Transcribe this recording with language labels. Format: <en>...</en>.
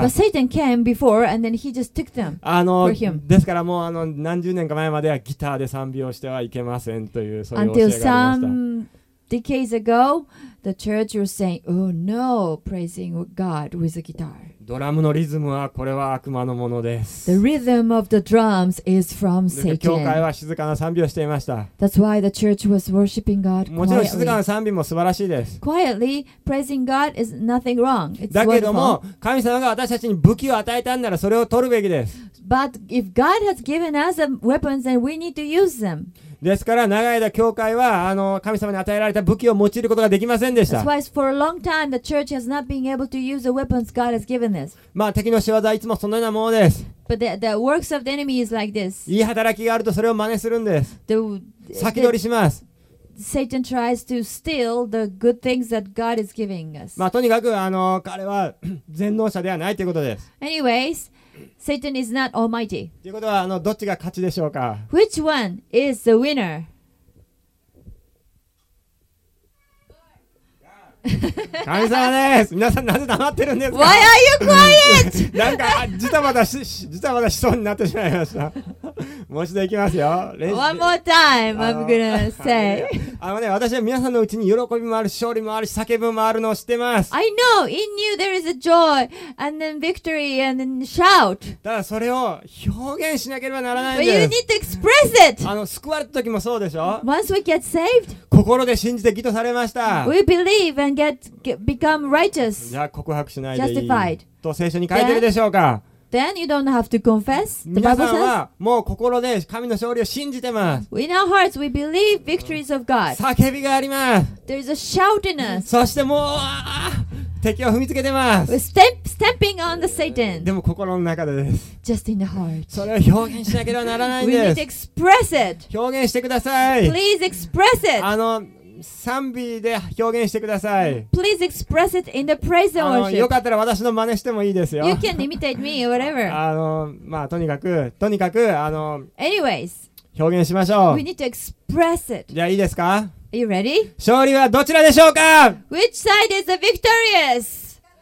<en>But Satan came before and then he just took them.</en> <ja>ですからもう何十年か前まではギターで賛美をしてはいけませんというそういう教えがありました。</ja> <en>Until some decades ago, the church was saying, "Oh no, praising God with a guitar."</en> <ja>ドラムのリズムはこれは悪魔のものです。</ja> <en>The rhythm of the drums is from Satan.</en> <ja>教会は静かな賛美をしていました。</ja> <en>That's why the church was worshiping God quietly.</en> <ja>もちろん静かな賛美も素晴らしいです。</ja> <en>Quietly praising God is nothing wrong. It's wonderful.</en> <ja>だけども神様が私たちに武器を与えたんならそれを取るべきです。</ja> <en>But if God has given us weapons, then we need to use them.</en> <ja>ですから長い間教会は神様に与えられた武器を用いることができませんでした。</ja> <en>That's why for a long time the church has not been able to use the weapons God has given us.</en> <ja>まあ敵の仕業はいつもそのようなものです。</ja> <en>But the works of the enemy is like this.</en> <ja>いい働きがあるとそれを真似するんです。先取りします。</ja> <en>Satan tries to steal the good things that God is giving us.</en> <ja>まあとにかく彼は全能者ではないということです。</ja> <en>Anyways. Satan is not almighty.</en> <ja>ということはどっちが勝ちでしょうか。</ja> <en>Which one is the winner? God.</en> <ja>神様です。皆さんなぜ黙ってるんですか。</ja> <en>Why are you quiet?</en> <ja>なんかじたばたしそうになってしまいました。もう一度いきますよ。</ja> <en>One more time, I'm gonna say.</en> <ja>私は皆さんのうちに喜びもある、勝利もある、叫ぶもあるのを知ってます。</ja> <en>I know, in you there is a joy, and then victory, and then shout.</en> <ja>ただそれを表現しなければならないん</ja> <en>です。But you need to express it.</en> <ja>救われた時もそうでしょ。</ja> <en>Once we get saved,</en> <ja>心で信じて義とされました。</ja> <en>We believe and become righteous.</en> <ja>じゃあ告白しないでいい。</ja> <en>Justified.</en> <ja>と聖書に書いてるでしょうか。</ja> <en>Then you don't have to confess. The Bible says.</en> <ja>皆さんはもう心で神の勝利を信じてます。</ja> <en>In our hearts, we believe victories of God.</en> <ja>叫びがあります。</ja> <en>There is a shout in us.</en> <ja>そしてもう敵を踏みつけてます。</ja> <en>Stamping on the Satan.</en> <ja>でも心の中でです。</ja> <en>Just in the heart.</en> <ja>それを表現しなければならないんです。</ja> <en>We need to express it.</en> <ja>表現してください。</ja> <en>Please express it.</en> <ja>賛美で表現してください。</ja> <en>Please express it in the praise and worship.</en> <ja>よかったら私の真似してもいいですよ。</ja> <en>You can imitate me, whatever.</en> <ja>まあとにかく</ja> <en>Anyways,</en> <ja>表現しましょう。</ja> <en>We need to express it.</en> <ja>じゃあいいですか。</ja> <en>Are you ready?</en> <ja>勝利はどちらでしょうか。</ja> <en>Which side is the victorious?</en>